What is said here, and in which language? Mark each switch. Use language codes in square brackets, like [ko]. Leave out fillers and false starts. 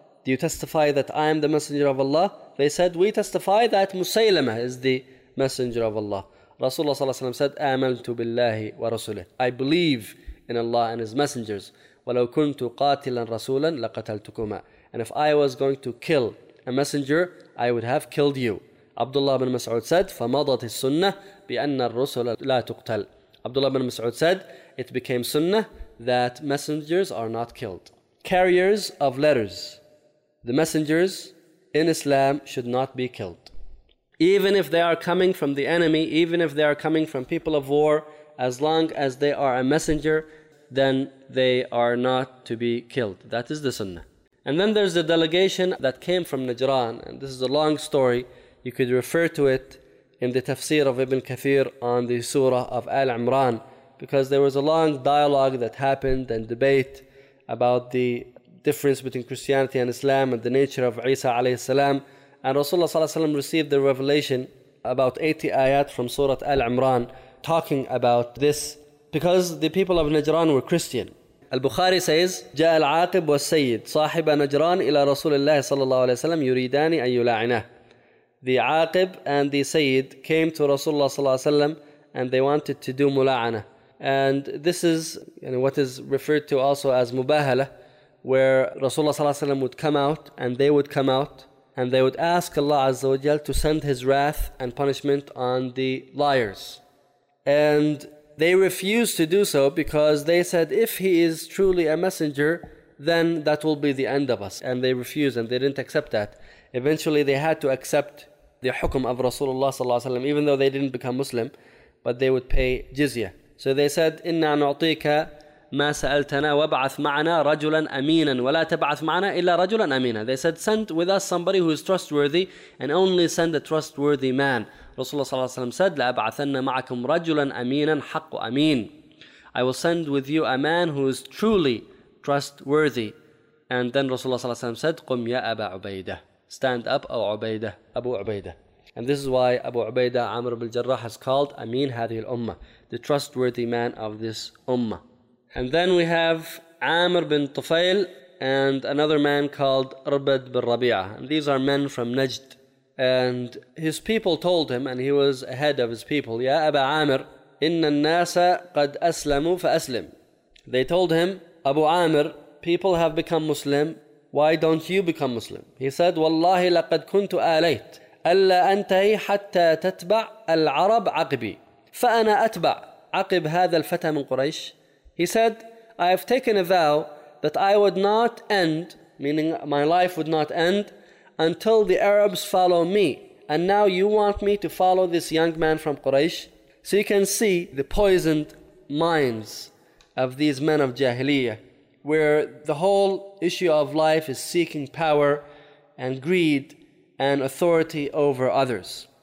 [en] Do you testify that I am the messenger of Allah? They said, we testify that Musaylama is the messenger of Allah. Rasulullah sallallahu alayhi wa sallam said, [ar] Amaltu billahi wa rasulih. [en] I believe in Allah and His messengers. [ar] Walau kuntu qatilan rasulan laqataltukuma. [en] And if I was going to kill a messenger, I would have killed you. Abdullah bin Mas'ud said, [ar] فَمَضَتِ السُّنَّةِ بِأَنَّ الرُّسُلَ لَا تُقْتَلْ. [en] Abdullah bin Mas'ud said, it became sunnah that messengers are not killed. Carriers of letters, the messengers in Islam should not be killed. Even if they are coming from the enemy, even if they are coming from people of war, as long as they are a messenger, then they are not to be killed. That is the sunnah. And then there's the delegation that came from Najran, and this is a long story. You could refer to it in the tafsir of Ibn Kathir on the surah of Al Imran, because there was a long dialogue that happened and debate about the difference between Christianity and Islam and the nature of Isa alayhi salam. And Rasulullah sallallahu alayhi wa sallam received the revelation about 80 ayat from Surah Al Imran talking about this, because the people of Najran were Christian. Al-Bukhari says, [ar] جَاءَ الْعَاقِبُ وَالسَّيِّدُ صَاحِبَ نَجْرَانِ إِلَى رَسُولِ اللَّهِ صَلَى اللَّهُ عَلَيْهِ وَسَلَّمَ يُرِيدَانِ أَنْ يُلَاعِنَهُ. [en] The Aqib and the Sayyid came to Rasulullah sallallahu alayhi wa sallam and they wanted to do mula'ana. And this is, you know, what is referred to also as mubahala, where Rasulullah sallallahu alayhi wa sallam would come out and they would come out and they would ask Allah azza wa jal to send His wrath and punishment on the liars. And they refused to do so because they said, if He is truly a messenger, then that will be the end of us. And they refused and they didn't accept that. Eventually they had to accept the hukum of Rasulullah sallallahu alayhi wa sallam, even though they didn't become Muslim, but they would pay jizya. So they said, [ar] إِنَّا نُعْطِيكَ ما سألتنا وابعث معنا رجلا أمينا ولا تبعث معنا إلا رجلا أمينا. [en] They said send with us somebody who is trustworthy and only send a trustworthy man. [ar] رسول الله صلى الله عليه وسلم [en] said [ar] لأبعثن معكم رجلا أمينا حق أمين. [en] I will send with you a man who is truly trustworthy. And then Rasulullah صلى الله عليه وسلم said [ar] قم يا أبا عبيدة. [en] Stand up أو عبيدة. أبو عبيدة. And this is why Abu Ubaidah Amr ibn al-Jarrah has called Amin [ar] هذه الأمة, [en] the trustworthy man of this Ummah. And then we have Amr bin Tufail and another man called Rabad bin Rabi'ah. And these are men from Najd. And his people told him, and he was ahead of his people, [ar] يا أبا عامر إن الناس قد أسلموا فأسلم. [en] They told him, Abu Amr, people have become Muslim, why don't you become Muslim? He said, والله لقد كنت آليت ألا أنتهي حتى تتبع العرب عقبي فأنا أتبع عقب هذا الفتى من قريش. He said, I have taken a vow that I would not end, meaning my life would not end, until the Arabs follow me. And now you want me to follow this young man from Quraysh. So you can see the poisoned minds of these men of Jahiliyyah, where the whole issue of life is seeking power and greed and authority over others.